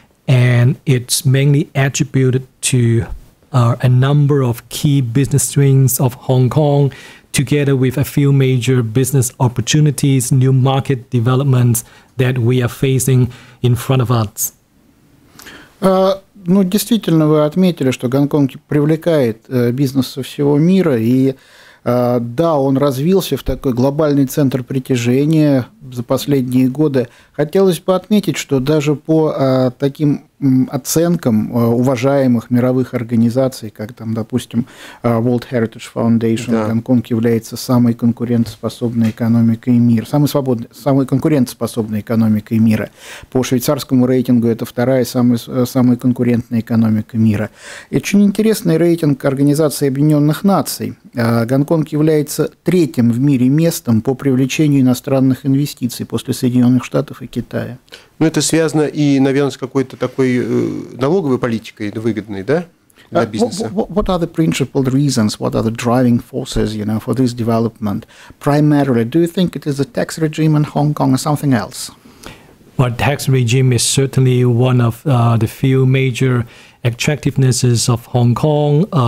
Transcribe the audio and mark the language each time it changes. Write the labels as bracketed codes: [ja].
[en] And it's mainly attributed to a number of key business strengths of Hong Kong, together with a few major business opportunities, new market developments that we are facing in front of us. [ru] Ну, действительно, вы отметили, что Гонконг привлекает бизнес со всего мира, и да, он развился в такой глобальный центр притяжения за последние годы. Хотелось бы отметить, что даже по таким оценкам уважаемых мировых организаций, как там, допустим, World Heritage Foundation, да, Гонконг является самой конкурентоспособной экономикой мира, самой конкурентоспособной экономикой мира. По швейцарскому рейтингу это вторая самая конкурентная экономика мира. И очень интересный рейтинг Организации Объединенных Наций. Гонконг является третьим в мире местом по привлечению иностранных инвестиций после Соединенных Штатов и Китая. Ну, это связано и, наверное, с какой-то такой налоговой политикой выгодной, да, для бизнеса? [en] What are the principal reasons, what are the driving forces, you know, for this development? Primarily, do you think it is the tax regime in Hong Kong or something else? Well, tax regime is certainly one of the few major attractivenesses of Hong Kong.